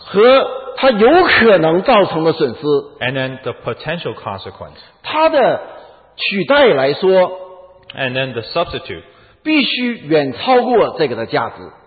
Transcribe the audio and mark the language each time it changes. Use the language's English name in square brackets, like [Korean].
[Chinese] 和它有可能造成的损失。 [English] And then the potential consequence. [Chinese] 它的取代来说。 [English] And then the substitute. [Chinese] 必须远超过这个的价值。